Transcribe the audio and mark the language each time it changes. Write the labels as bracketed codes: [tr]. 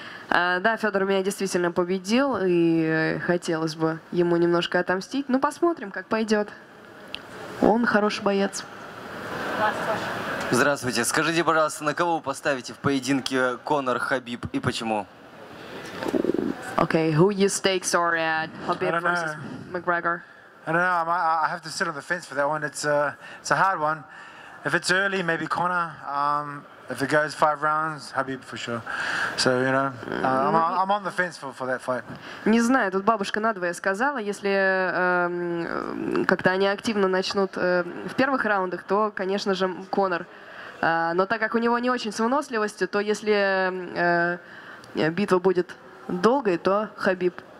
[ru] Да, Федор меня действительно победил, и хотелось бы ему немножко отомстить. Ну, посмотрим, как пойдет. Он хороший боец. Здравствуйте. Скажите, пожалуйста, на кого вы поставите в поединке Конор, Хабиб и почему? [en] Okay, who you stake, sorry, at Habib versus McGregor? I don't know. I have to sit on the fence for that one. It's a hard one. If it's early, maybe Conor. If it goes five rounds, Habib for sure. So, you know, I'm on the fence for that fight. [ru] Не знаю, тут бабушка надвое сказала, если как-то они активно начнут в первых раундах, то, конечно же, Конор. Но так как у него не очень с выносливостью, то если битва будет долгой, то Хабиб.